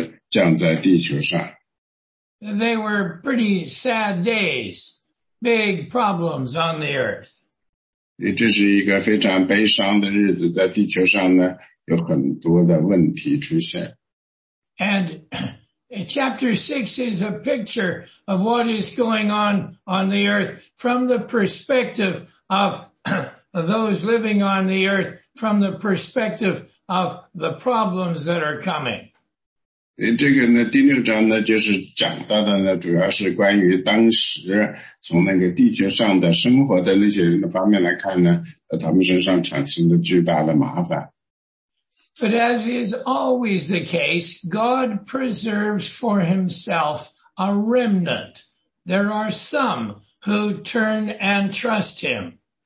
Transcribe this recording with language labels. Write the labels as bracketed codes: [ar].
[zh] 因为在第六章里我们看到了神的审判呢,就是降在地球上。They [en] were pretty sad days, big problems on the earth. [zh] 这是一个非常悲伤的日子,在地球上呢,有很多的问题出现。And [en] Chapter 6 is a picture of what is going on the earth from the perspective of those living on the earth, from the perspective of the problems that are coming. [zh] 这个呢,第六章呢,就是讲到的呢,主要是关于当时从那个地球上的生活的那些人的方面来看呢,他们身上产生的巨大的麻烦。 [en] But as is always the case, God preserves for himself a remnant. There are some who turn and trust him.